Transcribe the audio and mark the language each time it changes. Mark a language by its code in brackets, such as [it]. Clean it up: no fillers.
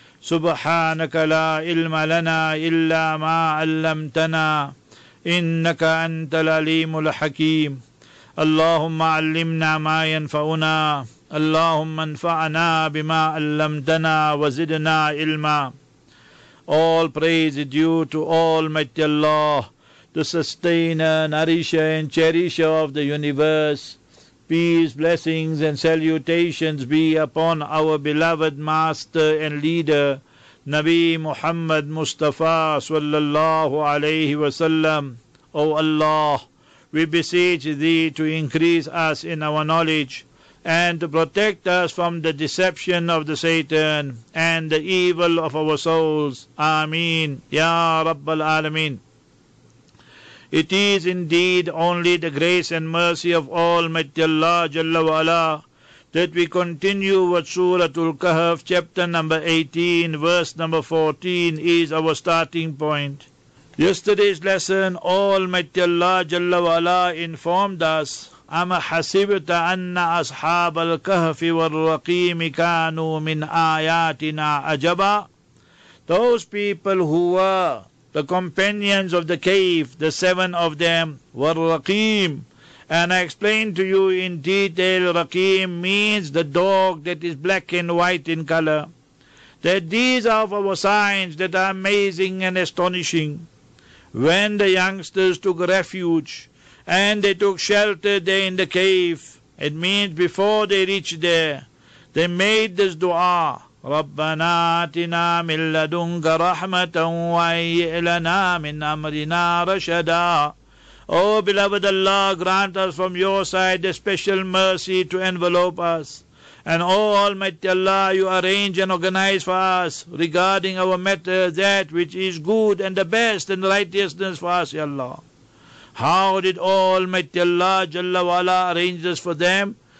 [ar] سبحانك لا علم لنا إلا ما علمتنا إنك أنت العليم الحكيم. اللهم علمنا ما ينفعنا، اللهم انفعنا بما علمتنا وزدنا علما. [en] All praise is due to Almighty Allah, the sustainer, nourisher and cherisher of the universe. Peace, blessings and salutations be upon our beloved master and leader, Nabi Muhammad Mustafa sallallahu alayhi wa sallam. O Allah, we beseech thee to increase us in our knowledge and to protect us from the deception of the Satan and the evil of our souls. Ameen. Ya Rabbal Alameen. It is indeed only the grace and mercy of Almighty Allah Jalla wa Ala that we continue what Suratul Kahf, chapter number 18, verse number 14 is our starting point. Yesterday's lesson, Almighty Allah Jalla wa Ala informed us, [ar] أَمَ حَسِبْتَ أَنَّ أَصْحَابَ الْكَهْفِ وَالرَّقِيمِ كَانُوا مِنْ آيَاتِنَا أَجَبًا. [en] Those people who were the companions of the cave, the seven of them, were Raqim. And I explained to you in detail, Raqim means the dog that is black and white in color. That these are our signs that are amazing and astonishing. When the youngsters took refuge and they took shelter there in the cave, it means before they reached there, they made this dua. [ar] ربنا آتنا من لدنك رحمة وهيئ لنا من أمرنا رشدا. [en] O beloved Allah, grant us from your side a special mercy to envelop us. And O Almighty Allah, you arrange and organize for us regarding our matter that which is good and the best and righteousness for us, Ya Allah. How did O Almighty Allah Jalla wa Ala arrange this for them?